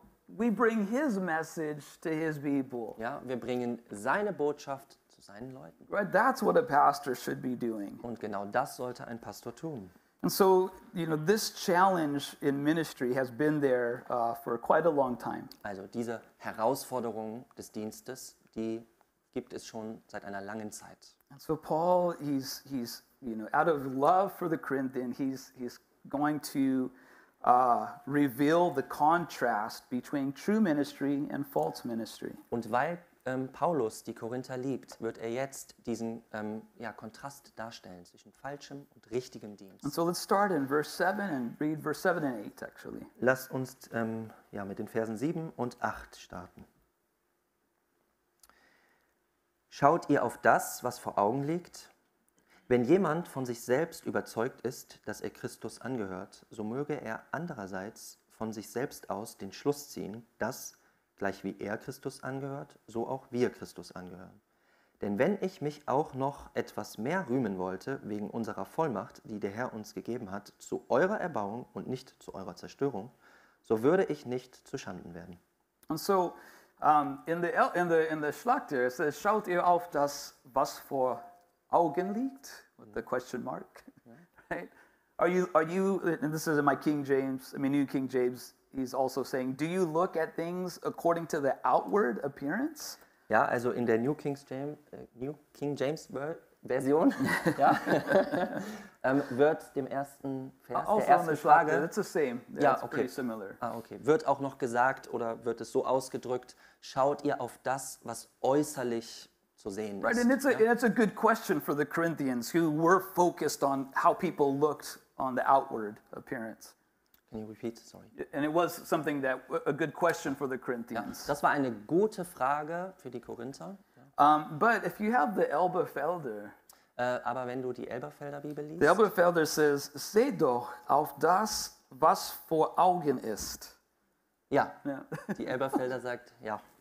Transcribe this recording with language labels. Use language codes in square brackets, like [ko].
[en] We bring his message to his people. [de] Ja, wir bringen seine Botschaft zu seinen Leuten. [en] Right, that's what a pastor should be doing. [de] Und genau das sollte ein Pastor tun. [en] And so, this challenge in ministry has been there for quite a long time. [de] Also diese Herausforderung des Dienstes, die gibt es schon seit einer langen Zeit. [en] And so Paul, he's out of love for the Corinthians, he's going to reveal the contrast between true ministry and false ministry. [de] Und weil Paulus die Korinther liebt, wird jetzt diesen Kontrast darstellen zwischen falschem und richtigem Dienst. [en] And so let's start in verse 7 and read verse 7 and 8 actually. [de] Lass uns mit den Versen 7 und 8 starten. Schaut ihr auf das, was vor Augen liegt? Wenn jemand von sich selbst überzeugt ist, dass er Christus angehört, so möge er andererseits von sich selbst aus den Schluss ziehen, dass, gleich wie er Christus angehört, so auch wir Christus angehören. Denn wenn ich mich auch noch etwas mehr rühmen wollte, wegen unserer Vollmacht, die der Herr uns gegeben hat, zu eurer Erbauung und nicht zu eurer Zerstörung, so würde ich nicht zuschanden werden. Und so, in the Schlachter, es sagt, schaut ihr auf das, was vor Augen liegt, [en] with the question mark, right? Are you, and this is in my King James, New King James, he's also saying, do you look at things according to the outward appearance? [de] Ja, also in der New King James Version, ja, wird dem ersten Vers, also der ersten Frage, [en] that's the same, that's [de] ja, okay. [en] Pretty similar. [de] Ah, okay, wird auch noch gesagt oder wird es so ausgedrückt, schaut ihr auf das, was äußerlich zu sehen ist. [en] Right, and it's a good question for the Corinthians who were focused on how people looked on the outward appearance. Can you repeat? Sorry. And it was something that a good question for the Corinthians. [de] Ja, das war eine gute Frage für die Korinther. [en] But if you have the Elberfelder, [de] aber wenn du die Elberfelder Bibel liest, [en] the Elberfelder says, [de] "Seht doch auf das, was vor Augen ist." Ja. Die Elberfelder sagt ja.